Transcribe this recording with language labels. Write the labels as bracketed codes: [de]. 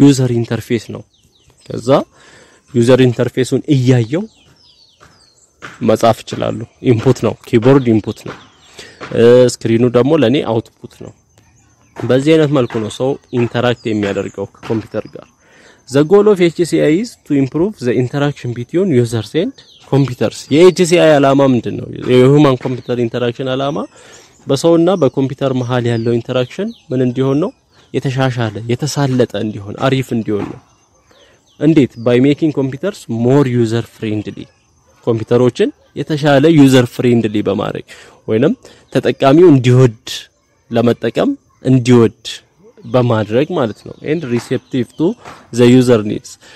[am] ዩዘር ኢንተርፌስ ነው። ከዛ ዩዘር ኢንተርፌሱን እያየው መጻፍ ይችላልሉ። ኢንፑት ነው፣ ኪቦርድ ኢንፑት ነው፣ ስክሪኑ ደግሞ ለኔ አውትፑት ነው። በዚህ አይነት መልኩ ነው ሰው ኢንተራክት የሚያደርገው ከኮምፒውተር ጋር። [en] The goal of HCI is to improve the interaction between users and computers. [am] የHCI አላማ ምንድነው? የhuman computer interaction አላማ በሰውና በኮምፒውተር መሃል ያለው ኢንተራክሽን ምን እንዲሆን ነው? የተሻሻለ የተሳለጠ እንዲሆን አሪፍ እንዲሆን ነው። እንዴት? [en] By making computers more user friendly. [am] ኮምፒውተሮችን የተሻለ user friendly በማድረግ ወይንም ተጠቃሚው እንዲወድ ለመጠቀም እንዲወድ በማድረግ ማለት ነው። [en] and receptive to the user needs